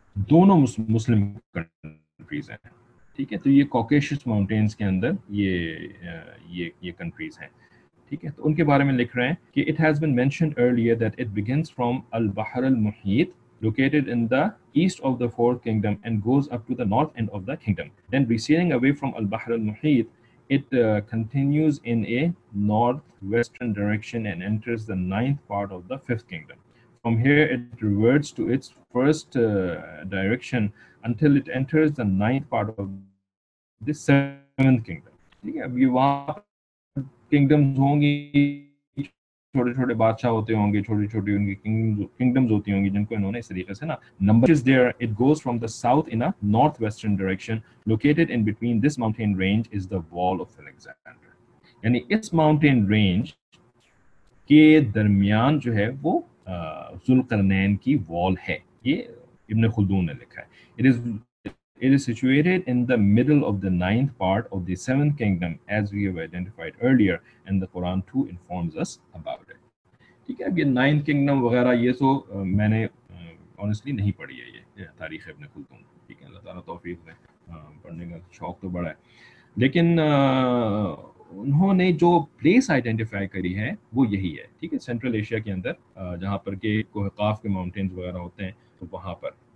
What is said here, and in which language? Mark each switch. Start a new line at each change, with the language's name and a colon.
Urdu: دونوں مسلم کنٹریز ہیں, ٹھیک ہے, تو یہ کوکیشس ماؤنٹینز کے اندر یہ کنٹریز ہیں, ٹھیک ہے, تو ان کے بارے میں لکھ رہے ہیں کہ
English: It has been mentioned earlier that it begins from البحر المحیط located in the east of the fourth kingdom and goes up to the north end of the kingdom. Then receding away from Al-Bahr Al-Muhit, it continues in a northwestern direction and enters the ninth part of the fifth kingdom. From here, it reverts to its first direction until it enters the ninth part of the seventh kingdom. Okay, now kingdoms will be
Urdu: چھوٹے چھوٹے بادشاہ ہوتے ہوں گے, چھوٹی چھوٹی ان کی kingdoms ہوتی ہوں گی جن کو انہوں نے اس طریقے سے نا number is there.
English: it goes from the south in a north western direction located in between this mountain range is the wall of Alexander,
Urdu: یعنی اس ماؤنٹین رینج کے درمیان جو ہے وہ ذوالقرنین کی وال ہے, یہ ابن خلدون نے لکھا ہے.
English: It is situated in the middle of the ninth part of the seventh kingdom as we have identified earlier and the Quran too informs us about it.
Urdu: ٹھیک ہے, اب یہ نائنتھ کنگڈم وغیرہ یہ تو میں نے آنیسٹلی نہیں پڑھی ہے, یہ تاریخ ابن خلدون, ٹھیک ہے, اللہ تعالیٰ توفیق دے, پڑھنے کا شوق تو بڑا ہے, لیکن انہوں نے جو پلیس آئیڈینٹیفائی کری ہے وہ یہی ہے, ٹھیک ہے, سینٹرل ایشیا کے اندر جہاں پر کہ کوہ قاف کے ماؤنٹینز وغیرہ ہوتے ہیں تو وہاں پر.